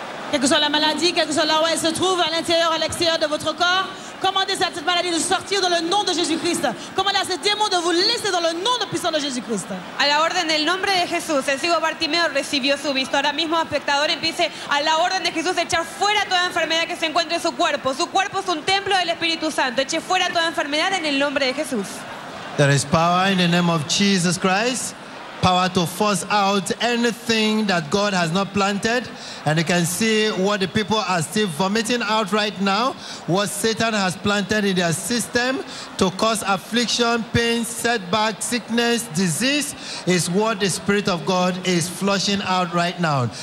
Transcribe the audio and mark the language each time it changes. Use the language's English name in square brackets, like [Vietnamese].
[French] Quelle que soit la maladie, quelle que soit là où elle se trouve, à l'intérieur, à l'extérieur de votre corps, commandez à cette maladie de sortir dans le nom de Jésus-Christ. Commandez à ce démon de vous laisser dans le nom de puissant de Jésus-Christ. [Spanish] A la orden del nombre de Jesús, el ciego Bartimeo recibió su visto. Ahora mismo, espectador, empiece a la orden de Jesús echar fuera toda enfermedad que se encuentre en su cuerpo. Su cuerpo es un templo del Espíritu Santo. Eche fuera toda enfermedad en el nombre de Jesús. [English] There is power in the name of Jesus Christ. Power to force out anything that God has not planted. And you can see what the people are still vomiting out right now, what Satan has planted in their system to cause affliction, pain, setback, sickness, disease, is what the Spirit of God is flushing out right now.